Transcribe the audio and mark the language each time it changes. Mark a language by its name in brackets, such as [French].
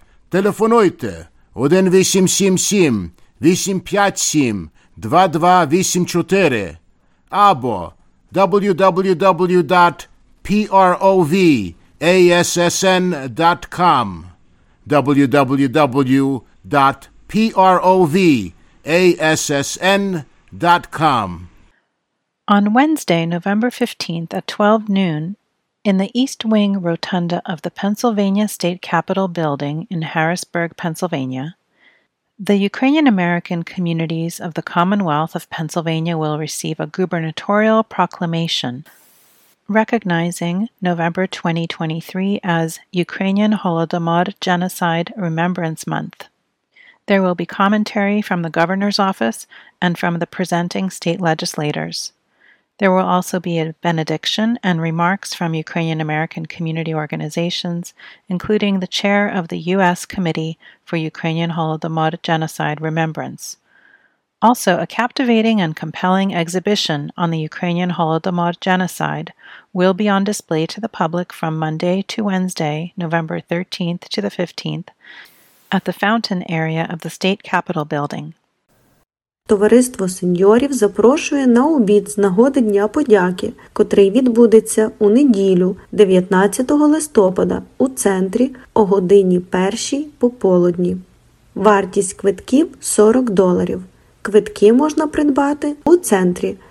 [Ukrainian] Телефонуйте 1-877-857-2284 або www.provassn.com www.provassn.com. [English] On Wednesday, November 15th at 12 noon, in the East Wing Rotunda of the Pennsylvania State Capitol Building in Harrisburg, Pennsylvania, the Ukrainian-American communities of the Commonwealth of Pennsylvania will receive a gubernatorial proclamation recognizing November 2023 as Ukrainian Holodomor Genocide Remembrance Month. There will be commentary from the governor's office and from the presenting state legislators. There will also be a benediction and remarks from Ukrainian-American community organizations, including the chair of the U.S. Committee for Ukrainian Holodomor Genocide Remembrance. Also, a captivating and compelling exhibition on the Ukrainian Holodomor Genocide will be on display to the public from Monday to Wednesday, November 13th to the 15th, at the fountain area of the State Capitol Building. [Ukrainian] Товариство сеньорів запрошує на обід з нагоди Дня подяки, котрий відбудеться у неділю, 19 листопада, у центрі о годині 1 пополудні. Вартість квитків – $40. Квитки можна придбати у центрі.